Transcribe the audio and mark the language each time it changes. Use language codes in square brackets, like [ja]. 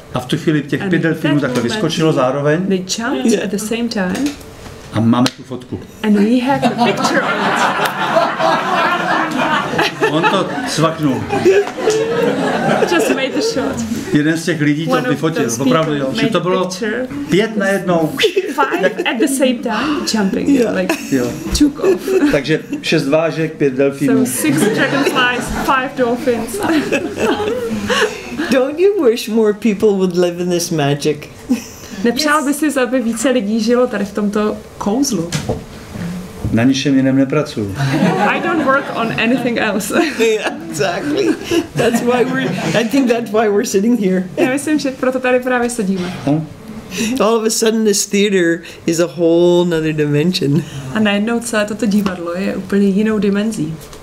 [cs] A v tu chvíli těch pět delfínů takhle vyskočilo zároveň. [en] They jumped at the same time. [cs] A máme tu fotku. [en] And we have a picture of it. [cs] On to cvaknul. [en] Just made the shot. [cs] Jeden z těch lidí to vyfotil, opravdu jo. Že to bylo pět najednou. [en] Five at the same time jumping. Yeah. Like, took off. [cs] Takže šest vážek, pět delfínů. [en] So six dragonflies, five dolphins. Don't you wish more people would live in this magic? [cs] Nepřál bys si, aby více lidí žilo tady v tomto kouzlu? Na ničem jiném nepracuju. [en] I don't work on anything else. Exactly. That's why we're. I think that's why we're sitting here. [cs] Já myslím, že proto tady právě sedíme. [en] All of a sudden, this theater is a whole another dimension. [cs] A najednou celé toto divadlo je úplně jinou dimenzí.